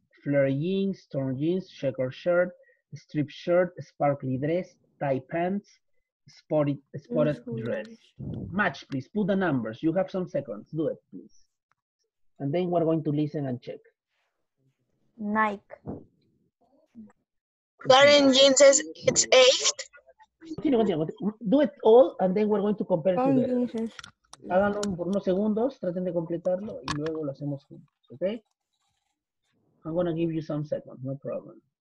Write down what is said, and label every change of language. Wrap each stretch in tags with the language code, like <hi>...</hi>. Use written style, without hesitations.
<en>Flare jeans, torn jeans, checkered shirt, striped shirt, sparkly dress, tie pants, spotted dress. Match, please. Put the numbers. You have some seconds. Do it, please. And then we're going to listen and check. Nike. Flaring jeans, it's 8. Continue. Do it all, and then we're going to compare together.</en> <es>Háganlo por unos segundos, traten de completarlo y luego lo hacemos juntos, ¿ok?</es> <en>I'm gonna give you some seconds, no problem.</en>